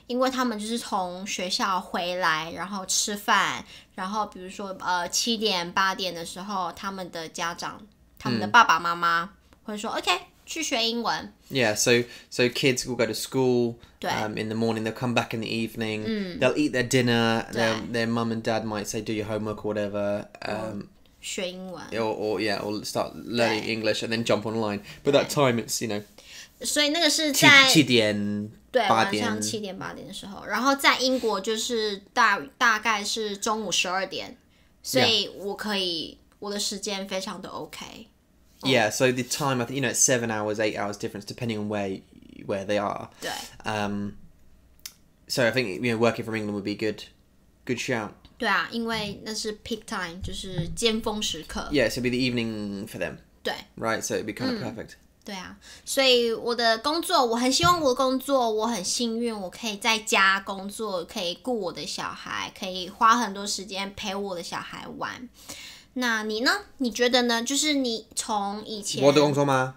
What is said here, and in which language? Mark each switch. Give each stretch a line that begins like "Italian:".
Chinese: 因为他们就是从学校回来然后吃饭，然后比如说七点八点的时候他们的家长他们的爸爸妈妈会说、mm-hmm. OK去学英文
English: Yeah, so kids will go to school in the morning, they'll come back in the evening,、mm. they'll eat their dinner, their mum and dad might say do your homework or whatever、
Chinese: 学英文
English: or start learning English and then jump online. But that time, it's, you know,
Chinese: 所以那个是在七点对八点晚上七点八点的时候，然后在英国就是大概是中午十二点，所以我可以、
English: yeah.
Chinese: 我的时间非常的 OK、
English: oh. Yeah, so the time, I think, you know, it's 7 hours, 8 hours difference depending on where they are.
Chinese: 对、
English: So I think, you know, working from England would be good shout.
Chinese: 对啊，因为那是
English: peak time,
Chinese: 就是尖峰时刻。
English: Yeah, so it'd be the evening for them.
Chinese: 对。
English: Right, so it'd be kind of perfect.、
Chinese: 对啊，所以我的工作，我很希望我的工作，我很幸运，我可以在家工作，可以顾我的小孩，可以花很多时间陪我的小孩玩。那你呢？你觉得呢？就是你从以前我的工作吗？